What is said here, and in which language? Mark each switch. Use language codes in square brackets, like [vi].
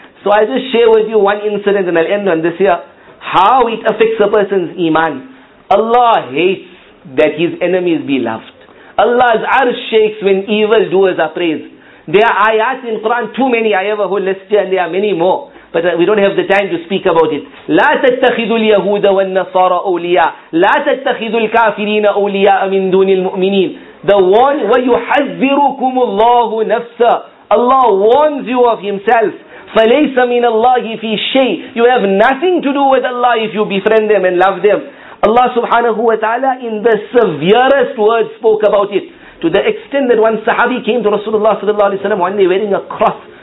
[en] So I'll just share with you one incident and I'll end on this here. How it affects a person's iman. Allah hates that his enemies be loved. Allah's arsh shakes when evildoers are praised. There are ayat in Quran, too many, I have a whole list here, and there are many more. But we don't have the time to speak about it. [ar] لا تتخذوا اليهود والنصارى أولياء لا تتخذوا الكافرين أولياء من دون المؤمنين. [en] The one [ar] ويحذركم الله نفسه. [en] Allah warns you of himself. [ar] فَلَيْسَ مِنَ اللَّهِ فِي شَيْءٍ. [en] You have nothing to do with Allah if you befriend them and love them. Allah subhanahu wa ta'ala in the severest words spoke about it. To the extent that one sahabi came to Rasulullah sallallahu alayhi wa sallam one day wearing a cross.